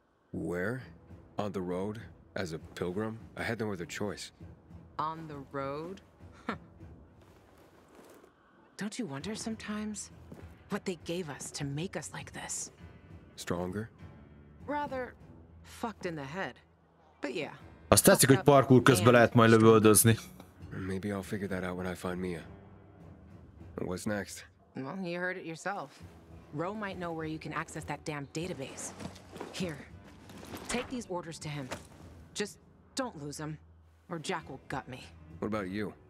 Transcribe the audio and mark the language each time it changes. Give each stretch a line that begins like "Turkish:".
English: Where? On the road? As a pilgrim? I had no other choice. On the road? Don't you wonder sometimes what they gave us to make us like this? Stronger? Rather fucked in the head. But yeah.
Hungarian: Azt tetszik, hogy parkour közben lehet majd lövöldözni.
English: Maybe I'll figure that out when I find Mia. What's next? Well, you heard it yourself. Ro might know where you can access that damn database. Here, take these orders to him. Just don't lose them, or Jack will gut me. What about you?